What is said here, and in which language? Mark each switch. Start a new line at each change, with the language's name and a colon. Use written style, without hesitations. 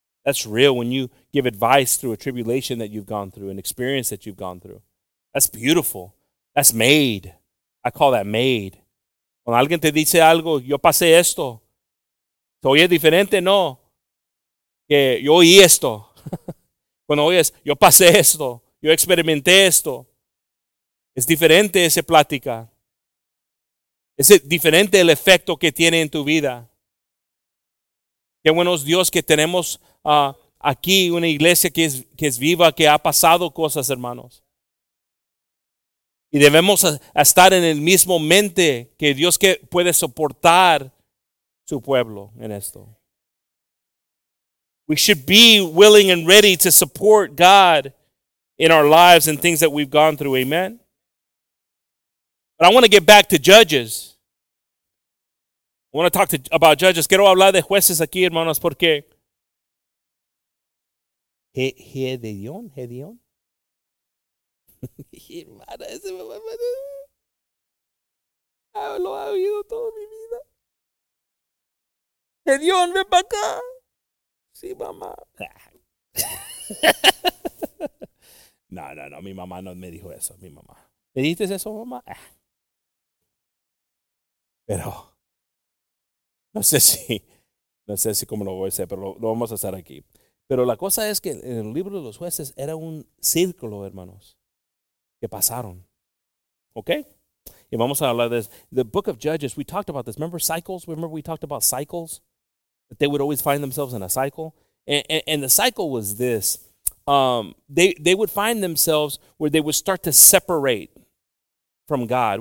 English: That's real when you give advice through a tribulation that you've gone through, an experience that you've gone through. That's beautiful. That's made. I call that made.
Spanish: Cuando alguien te dice algo, yo pasé esto. ¿Oye diferente? No. Que yo oí esto. Cuando oyes, yo pasé esto, yo experimenté esto. Es diferente esa plática. Es diferente el efecto que tiene en tu vida. Qué buenos Dios que tenemos aquí una iglesia que es viva, que ha pasado cosas, hermanos. Y debemos a estar en el mismo mente que Dios que puede soportar su pueblo en esto.
English: We should be willing and ready to support God in our lives and things that we've gone through. Amen. But I want to get back to Judges. I want to talk about Judges.
Spanish: Quiero hablar de jueces aquí, hermanos, porque Gedeón. Hermana, ese me va a matar. Ah, lo ha oído toda mi vida. Gedeón, ven para acá. Sí, mamá. No, no, no, mi mamá no me dijo eso, mi mamá. ¿Me dijiste eso, mamá? Pero no sé si cómo lo voy a hacer, pero lo vamos a hacer aquí. Pero la cosa es que en el libro de los jueces era un círculo, hermanos, que pasaron. ¿Ok? Y vamos a hablar de eso.
English: The Book of Judges, we talked about this. Remember cycles? Remember we talked about cycles? That they would always find themselves in a cycle. And the cycle was this. They would find themselves where they would start to separate from God.